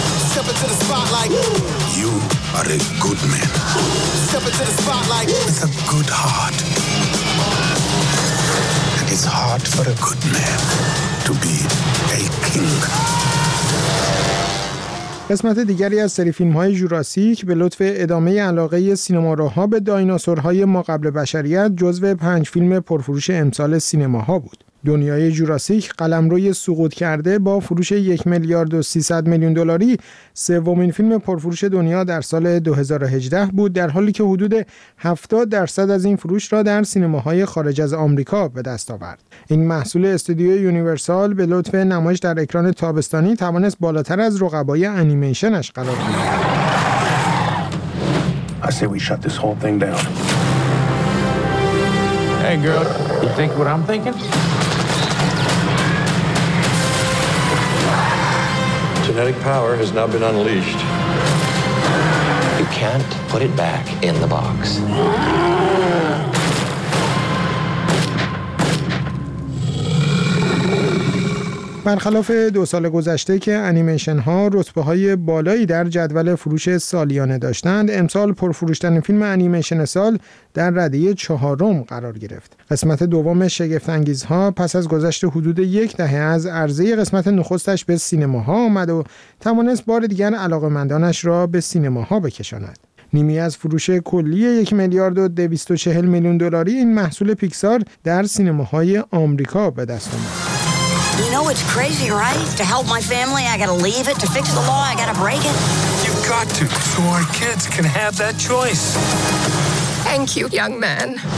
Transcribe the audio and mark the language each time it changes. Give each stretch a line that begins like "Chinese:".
English: Step into the spotlight. You are a good man. Step into the spotlight. With a good heart. And it's hard for a good man to be a king.
Persian: قسمت دیگری از سری فیلم‌های جوراسیک به لطف ادامه علاقه سینماروها به دایناسورهای ماقبل بشریت جزو 5 فیلم پرفروش امسال سینماها بود. دنیای جوراسیک قلمروی سقوط کرده با فروش 1,300,000,000 دلاری سومین فیلم پرفروش دنیا در سال 2018 بود، در حالی که حدود 70% از این فروش را در سینماهای خارج از آمریکا به دست آورد. این محصول استودیو یونیورسال به لطف نمایش در اکران تابستانی توانست بالاتر از رقبای انیمیشنش قرار گیرد.
English: I say we shut this whole thing down. Hey girl, you think what I'm thinking? Genetic power has now been unleashed. You can't put it back in the box.
Persian: برخلاف 2 سال گذشته که انیمیشن ها رتبه های بالایی در جدول فروش سالیانه داشتند، امسال پرفروشترین فیلم انیمیشن سال در رده 4 قرار گرفت. قسمت دوم شگفت انگیز ها پس از گذشت حدود 1 دهه از عرضه قسمت نخستش به سینما ها آمد و توانست بار دیگر علاقه‌مندانش را به سینما ها بکشاند. نیمی از فروش کلی 1,240,000,000 دلاری این محصول پیکسار در سینماهای آمریکا به دست آمد.
English: You know it's crazy, right? To help my family, I gotta leave it. To fix the law, I gotta break it. You've got to, so our kids can have that choice. Thank you, young man.